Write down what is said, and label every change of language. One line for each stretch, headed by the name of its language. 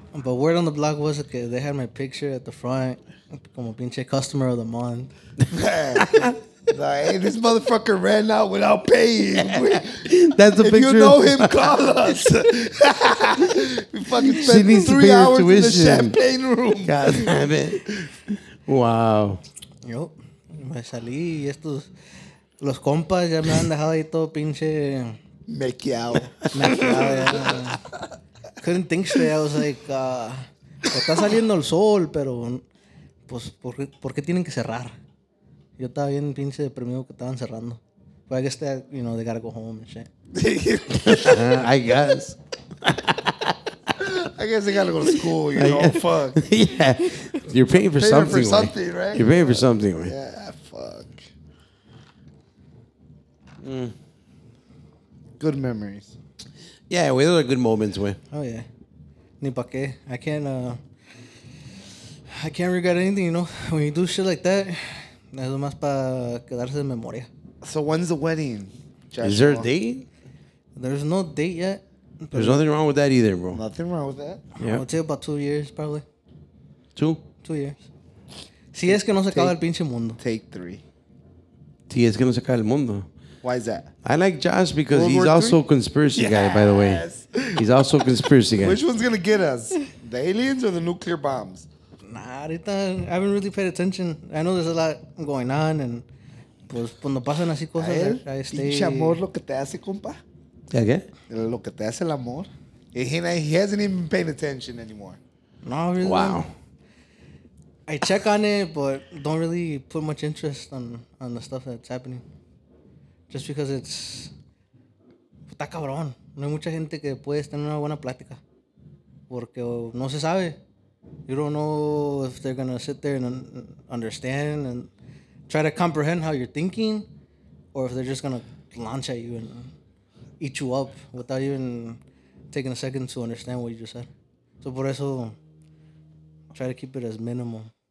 English: But word on the block was that they had my picture at the front.
Spanish: Como pinche
English: customer of the month. Like, hey, this motherfucker ran out without paying. That's a if picture. If you know him, call us. We fucking spent 3 hours tuition in the champagne room. God damn it. Wow.
Spanish: Yo, me salí y estos, los compas ya me han dejado ahí todo pinche. Mequeado. Yeah.
English: Couldn't think straight. I was like,
Spanish: está saliendo el sol, pero pues, ¿por qué tienen que cerrar? Yo estaba bien pinche deprimido que estaban cerrando.
English: But I guess that, you know, they gotta go home and shit. I guess. I guess they gotta go to school, you know, fuck. Yeah. You're paying for something. You're paying for something, right? You're paying for something, man. Yeah, fuck. Good memories. Yeah, we those are good moments, man.
Spanish: Oh, yeah. Ni pa' qué.
English: I can't regret anything, you know. When you do shit like that...
Spanish: Eso más para quedarse en memoria.
English: So when's the wedding? Joshua? Is there a date? There's no date yet. There's nothing wrong with that either, bro. Nothing wrong with that. Yeah. It'll take about 2 years, probably. Two years.
Spanish: Si take, es que no se acaba el pinche mundo.
English: Take three.
Spanish: Si es que no se acaba el mundo.
English: Why is that? I like Josh because World he's War also III? A conspiracy yes. guy, by the way. He's also a conspiracy guy. Which one's going to get us? The aliens or the nuclear bombs? Nah, ahorita, I haven't really paid attention. I know there's a lot going on, and
Spanish: pues cuando pasan así cosas,
English: I stay.
Spanish: Pinche amor lo que te hace, compa. ¿Qué? Lo que te hace el amor.
English: He hasn't even been paying attention anymore. No, really. Wow. I check on it, but don't really put much interest on the stuff that's happening. Just because it's...
Spanish: Está cabrón. No hay mucha gente que puede tener una buena plática. Porque no se sabe.
English: You don't know if they're going to sit there and understand and try to comprehend how you're thinking, or if they're just going to launch at you and eat you up without even taking a second to understand what you just said. So
Spanish: por eso,
English: try to keep it as minimal.